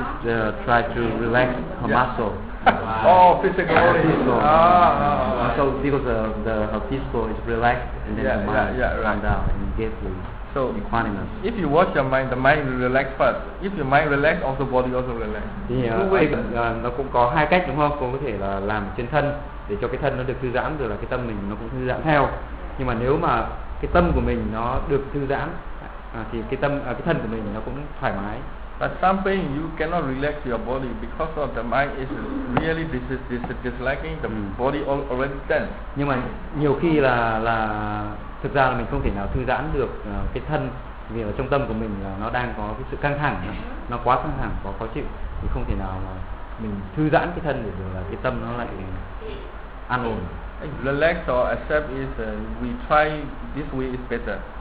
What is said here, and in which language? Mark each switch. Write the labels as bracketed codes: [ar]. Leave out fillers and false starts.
[en] She tries to relax her muscle. Oh, physical. Her physical. So because her physical is relaxed, and then yeah, the mind down and get the so equanimous. If you watch your mind, the mind will relax first. If your mind relax, also body also relax. [vi] Nó cũng có hai cách đúng không? Cũng có thể là làm trên thân để cho cái thân nó được thư giãn, rồi là cái tâm mình nó cũng thư giãn theo. Nhưng mà nếu mà cái tâm của mình nó được thư giãn thì cái tâm cái thân của mình nó cũng thoải mái. [en] But some pain you cannot relax your body because of the mind is really disliking the body already tense. [vi] Nhưng mà nhiều khi là thực ra là mình không thể nào thư giãn được cái thân vì ở trong tâm của mình là nó đang có cái sự căng thẳng, nó quá căng thẳng, quá khó chịu thì không thể nào mà mình thư giãn cái thân được, là cái tâm nó lại an ổn. [en] Relax or accept is we try this way is better.